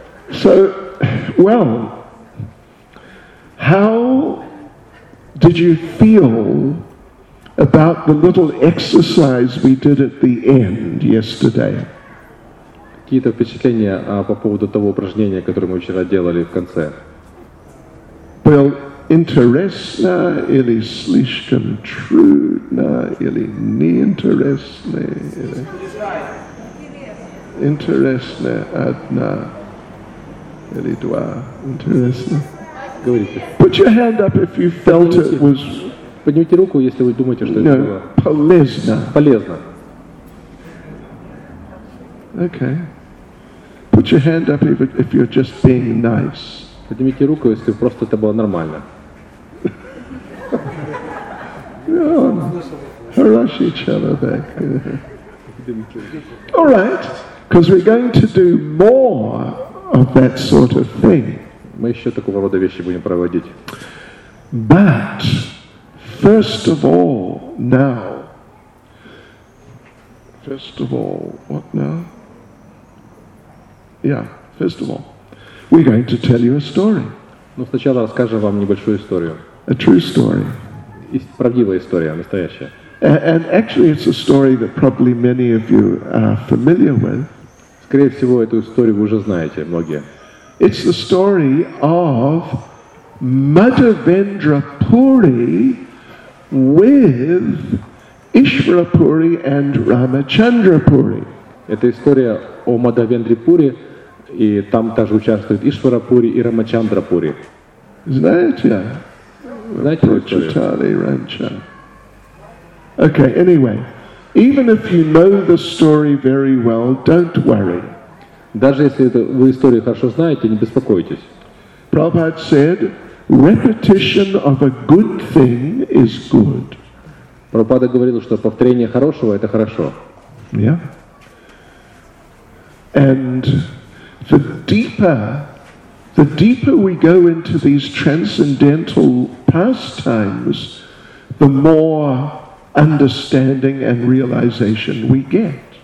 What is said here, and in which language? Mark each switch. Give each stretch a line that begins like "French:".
English: So, well, how did you feel about the little exercise we did at the end yesterday?
Russian: Какие-то впечатления по поводу того упражнения, которое мы вчера делали в конце? Был интересно или слишком трудно или неинтересно? Или... Интересно одна или два? Интересно? Говорите.
English: Put your hand up if you felt it was.
Russian: Поднимите руку, если вы думаете, что это было. Полезно. Полезно.
English: Okay. Put your hand up if you're just being nice.
Russian: Поднимите руку, если просто это было нормально. Хороший человек.
English: All right, because we're going to do more of that sort of thing.
Russian: Мы еще такого рода вещи будем проводить.
English: But first of all, now. First of all, what now? Yeah, first of all. We're going to tell you a story.
Russian: Но сначала расскажем вам небольшую историю.
English: A true story.
Russian: Правдивая история, настоящая.
English: And actually, it's a story that probably many of you are familiar with.
Russian: Скорее всего, эту историю вы уже знаете, многие.
English: It's the story of Madhavendra Puri with Ishvara Puri and Ramachandra Puri.
Russian: Это история о Мадхавендре Пури, и там также участвует Ишвара Пури и Рамачандра Пури. Знаете историю?
English: Okay, anyway, even if you know the story very well, don't worry.
Russian: Даже если вы историю хорошо знаете, не беспокойтесь.
English: Prabhupada said, repetition of a good thing is good.
Russian: Прабхупада говорил, что повторение хорошего – это хорошо.
English: Yeah. And the deeper we go into these transcendental pastimes, the more understanding and realization we get.